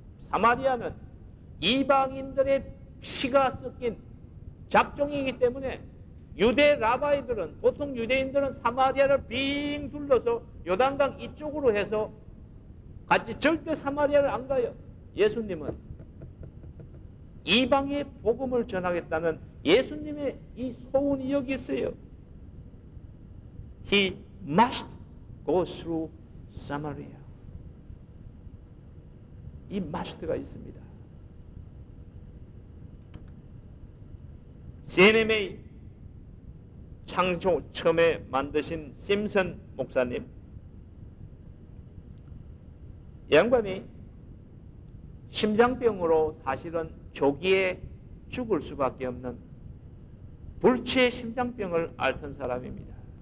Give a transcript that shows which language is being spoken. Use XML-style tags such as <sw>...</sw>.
<ko>사마리아는 이방인들의 피가 섞인 작종이기 때문에 유대 라바이들은 보통 유대인들은 사마리아를 빙 둘러서 요단강 이쪽으로 해서 같이 절대 사마리아를 안 가요. 예수님은 이방의 복음을 전하겠다는 예수님의 이 소원이 여기 있어요.</ko> <en>He must go through Samaria.</en> <ko>이 must가 있습니다. CNMA 창조 처음에 만드신 심슨 목사님 양반이 심장병으로 사실은 조기에 죽을 수밖에 없는 불치의 심장병을 앓던 사람입니다.</ko>